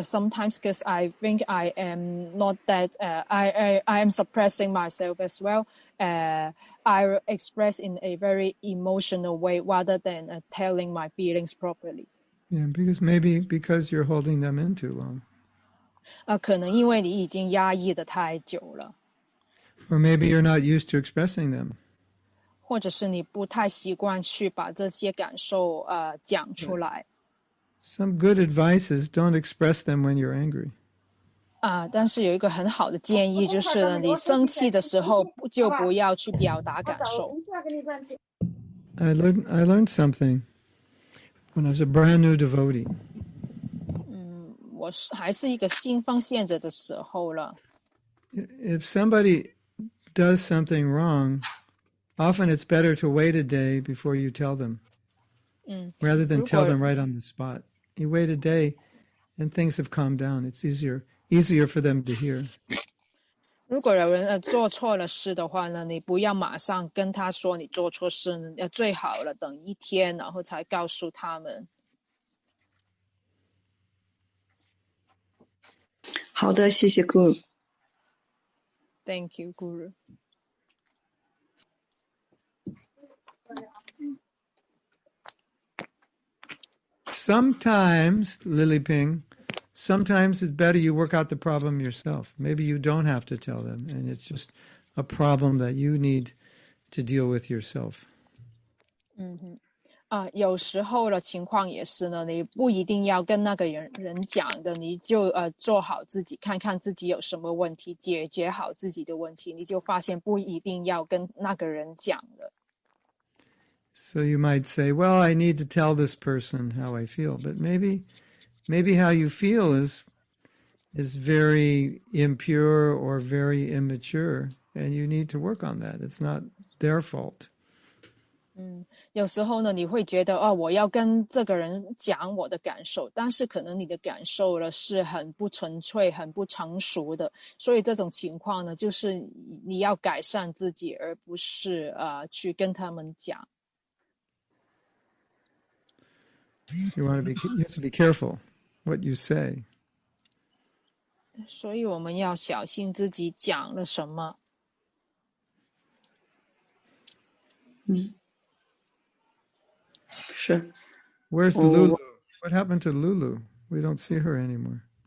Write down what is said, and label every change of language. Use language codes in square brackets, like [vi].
[en] Sometimes because I think I am not that I am suppressing myself as well. I express in a very emotional way rather than telling my feelings properly. Yeah, because maybe because you're holding them in too long. [zh] 可能因为你已经压抑的太久了。 [en] Or maybe you're not used to expressing them. [zh] 或者是你不太习惯去把这些感受讲出来。 [en] Some good advice is don't express them when you're angry. [zh] 但是有一个很好的建议就是你生气的时候就不要去表达感受。 [en] I learned something when I was a brand new devotee. [zh] 我还是一个新奉献者的时候了。 [en] If somebody does something wrong, often it's better to wait a day before you tell them, rather than tell them right on the spot. You wait a day and things have calmed down. It's easier for them to hear. [zh] 如果有人做错了事的话呢，你不要马上跟他说你做错事，最好了等一天然后才告诉他们。好的，谢谢 Guru。 [en] Thank you, Guru. Sometimes, Lily Ping, sometimes it's better you work out the problem yourself. Maybe you don't have to tell them, and it's just a problem that you need to deal with yourself. [zh] 有时候的情况也是呢，你不一定要跟那个人讲的，你就做好自己，看看自己有什么问题，解决好自己的问题，你就发现不一定要跟那个人讲了。 [en] So you might say, well, I need to tell this person how I feel, but maybe how you feel is very impure or very immature, and you need to work on that. It's not their fault. [zh] 有时候呢，你会觉得我要跟这个人讲我的感受，但是可能你的感受呢是很不纯粹、很不成熟的，所以这种情况呢，就是你要改善自己，而不是去跟他们讲。 [en] You have to be careful what you say. [zh] 所以我们要小心自己讲了什么。是 [en] Where's Lulu? What happened to Lulu? We don't see her anymore.